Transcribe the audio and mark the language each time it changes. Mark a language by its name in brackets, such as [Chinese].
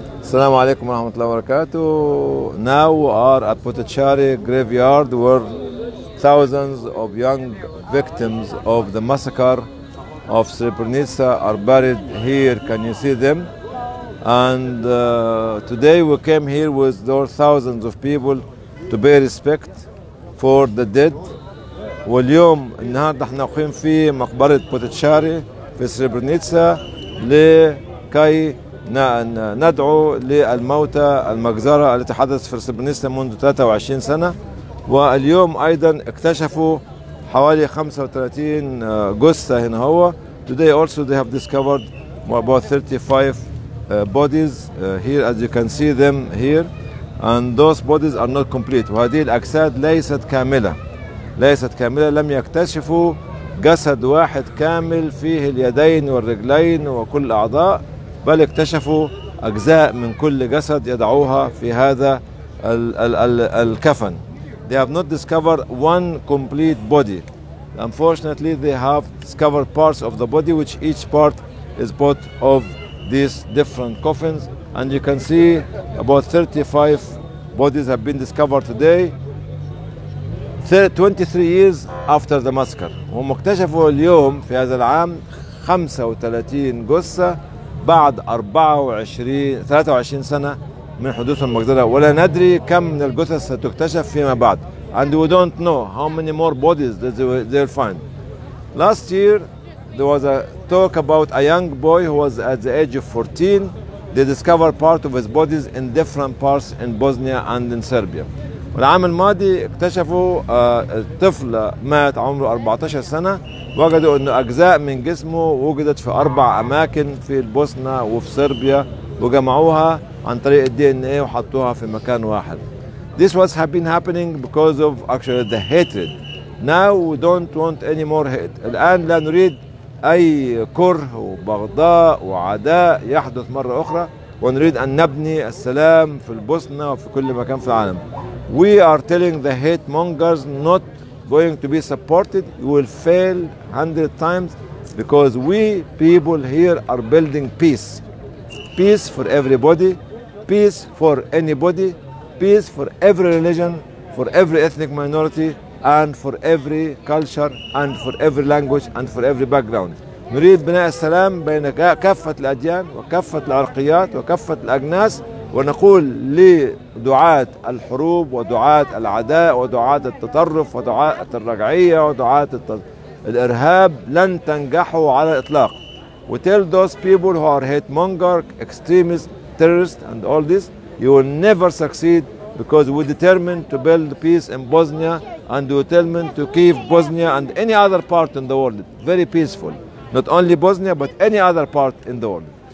[Arabic] السلام عليكم ورحمة الله وبركاته. [English] Now we are at Puttachary graveyard where thousands of young victims of the massacre of Srebrenica are buried here. Can you see them? And today we came here with those thousands of people to pay respect for the dead. [Arabic] واليوم النهاردة احنا واقفين في مقبرة بوتشاري في سربنيتسا لكي ندعو للموتى المجزرة التي حدثت في سربنيتسا منذ 23 سنة. واليوم أيضا اكتشفوا حوالي 35 جثة هنا. [English] هو today also they have discovered about 35 bodies here, as you can see them here, and those bodies are not complete. [Arabic] وهذه الأجساد ليست كاملة. لم يكتشفوا جسد واحد كامل فيه اليدين والرجلين وكل الأعضاء، بل اكتشفوا أجزاء من كل جسد يضعوها في هذا الكفن. [English] They have not discovered one complete body. Unfortunately, they have discovered parts of the body, which each part is part of these different coffins. And you can see about 35 bodies have been discovered today. 23 years after the massacre. [Arabic] هم اكتشفوا اليوم في هذا العام 35 جثة بعد 23 سنة من حدوث المجزرة، ولا ندري كم من الجثث ستكتشف فيما بعد. [English] And we don't know how many more bodies that they'll find. Last year there was a talk about a young boy who was at the age of 14. They discovered part of his bodies in different parts in Bosnia and in Serbia. [Arabic] والعام الماضي اكتشفوا طفل مات عمره 14 سنة، وجدوا انه اجزاء من جسمه وجدت في اربع اماكن في البوسنة وفي صربيا، وجمعوها عن طريق الدي ان ايه وحطوها في مكان واحد. [English] This was have been happening because of actually the hatred. Now we don't want any more hate. [Arabic] الان لا نريد اي كره وبغضاء وعداء يحدث مرة اخرى، ونريد ان نبني السلام في البوسنة وفي كل مكان في العالم. [English] We are telling the hate mongers not going to be supported. You will fail 100 times because we people here are building peace. Peace for everybody, peace for anybody, peace for every religion, for every ethnic minority, and for every culture, and for every language, and for every background. [Arabic] نريد بناء السلام بين كافة الأديان وكافة العرقيات وكافة الأجناس. ونقول لدعاة الحروب ودعاة العداء ودعاة التطرف ودعاة الرجعية ودعاة الإرهاب لن تنجحوا على الإطلاق. [English] We tell those people who are hate mongers, extremists, terrorists and all this, you will never succeed because we determined to build peace in Bosnia and we determined to keep Bosnia and any other part in the world very peaceful. Not only Bosnia but any other part in the world.